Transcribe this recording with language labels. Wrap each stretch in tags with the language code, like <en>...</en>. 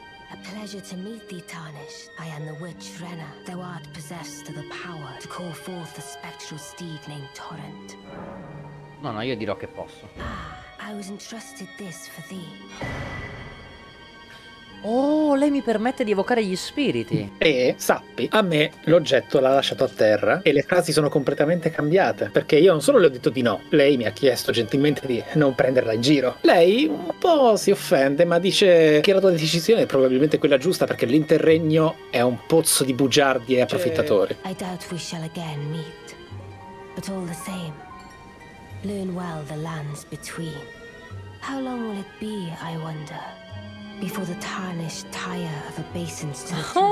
<en>A pleasure to meet thee, Tarnished. I am the witch Rena. Thou art possessed of the power to call forth the spectral steed named Torrent.</en> <it>No, io dirò che posso.</it> <en>I was entrusted this for thee.</en> <it>Oh, lei mi permette di evocare gli spiriti. E sappi, a me l'oggetto l'ha lasciato a terra e le frasi sono completamente cambiate. Perché io non solo le ho detto di no, lei mi ha chiesto gentilmente di non prenderla in giro. Lei un po' si offende, ma dice che la tua decisione è probabilmente quella giusta, perché l'interregno è un pozzo di bugiardi e approfittatori.</it> <en>I doubt we shall again meet. But all the same, learn well the lands between. How long will it be, I wonder? Before the tarnished tire of obeisance to the</en>